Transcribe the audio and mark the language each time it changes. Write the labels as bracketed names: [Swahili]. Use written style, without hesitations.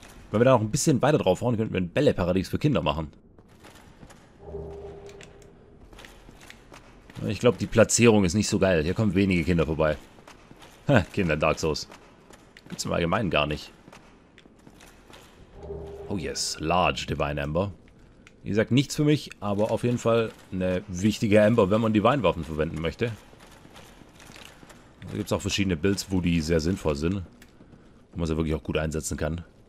[German] Wenn wir da noch ein bisschen weiter draufhauen, könnten wir ein Bälleparadies für Kinder machen. Ich glaube, die Platzierung ist nicht so geil. Hier kommen wenige Kinder vorbei. Ha, Kinder in Dark Souls. Gibt's im Allgemeinen gar nicht. [English] Oh yes, large Divine Ember. [German] Wie gesagt, nichts für mich, aber auf jeden Fall eine wichtige Ember, wenn man Divine Waffen verwenden möchte. Da gibt es auch verschiedene Builds, wo die sehr sinnvoll sind. Wo man sie wirklich auch gut einsetzen kann.